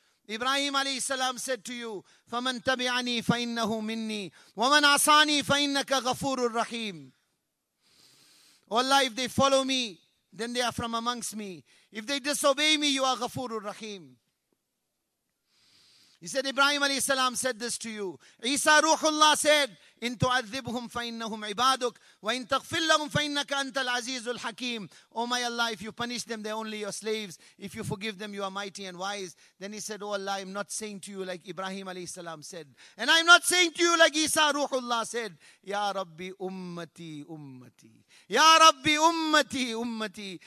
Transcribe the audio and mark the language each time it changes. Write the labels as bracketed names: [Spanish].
[English] Ibrahim alayhi salam said to you, [Arabic] فَمَنْ تَبِعَنِي فَإِنَّهُ مِنِّي وَمَنْ أَصَانِي فَإِنَّكَ غَفُورُ الرَّحِيمُ. [English] Oh Allah, if they follow me, then they are from amongst me. If they disobey me, you are Ghafurur Rahim. He said, Ibrahim alayhi salam said this to you. [Arabic] Isa Ruhullah said, إِن تُعَذِّبْهُمْ فَإِنَّهُمْ عِبَادُكْ وَإِن تَغْفِرْ لَهُمْ فَإِنَّكَ أَنْتَ الْعَزِيزُ الْحَكِيمُ. [English] Oh my Allah, if you punish them, they're only your slaves. If you forgive them, you are mighty and wise. Then he said, oh Allah, I'm not saying to you like Ibrahim alayhi salam said. And I'm not saying to you like Isa Ruhullah said. [Arabic] Ya Rabbi Ummati Ummati. Ya Rabbi Ummati Ummati.